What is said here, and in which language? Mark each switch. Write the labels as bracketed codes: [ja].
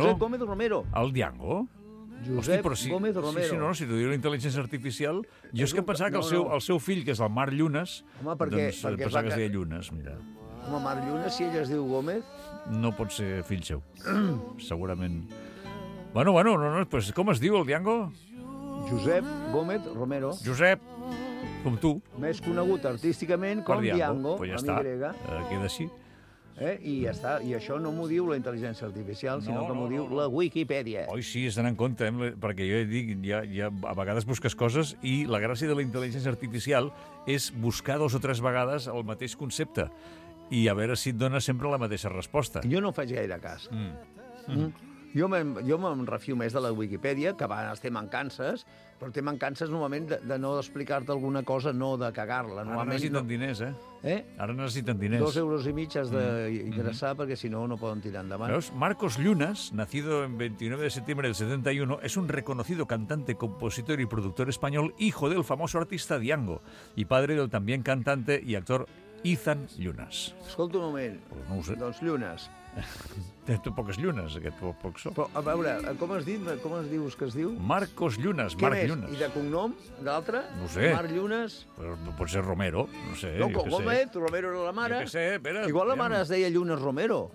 [ca] Josep Gómez Romero. El Diango? Josep Gómez Romero. Sí, sí, no, si t'ho diu la intel·ligència artificial... Jo és que pensava que el seu fill, que és el Marc Llunes... Home, perquè... Doncs, perquè pensava que es deia Llunes, mira. Home, Marc Llunes, si ella es diu Gómez... No pot ser fill seu, segurament. Bueno, no, pues, com es diu el Django? Josep Gómez Romero. Josep, com tu. Més conegut artísticament com Django, pues ja amb està. Y. Però queda així. I ja està. I això no m'ho diu la intel·ligència artificial, no, sinó que m'ho diu la Wikipedia. Oi, sí, és d'anar en compte, perquè jo dic, ja a vegades busques coses i la gràcia de la intel·ligència artificial és buscar dos o tres vegades el mateix concepte i a veure si et dona sempre la mateixa resposta. Jo no faig gaire cas. Jo me'n refio més de la Wikipedia, que a vegades té mancances, però té mancances normalment de no explicar-te alguna cosa, no de cagar-la. Ara necessiten diners, eh? Ara necessiten diners. 2 euros i mig has d'ingressar, perquè si no, no poden tirar endavant. Veus? [es] Marcos Llunas, nacido el 29 de septiembre del 71, es un reconocido cantante, compositor y productor español, hijo del famoso artista Django, y padre del también cantante y actor Ethan Llunas. [ca] Escolta un moment. Pues no ho sé. Doncs Llunas. Té tu poques llunes, aquest poc sóc. Però, a veure, com es diu, com es dius que es diu? Marcos Llunas, Marc Llunas. I de cognom, d'altre? No sé. Marc Llunas? Pot ser Romero, no sé. Loco, Gómez, Romero era la mare. Jo què sé, espera. Igual la mare es deia Llunas Romero.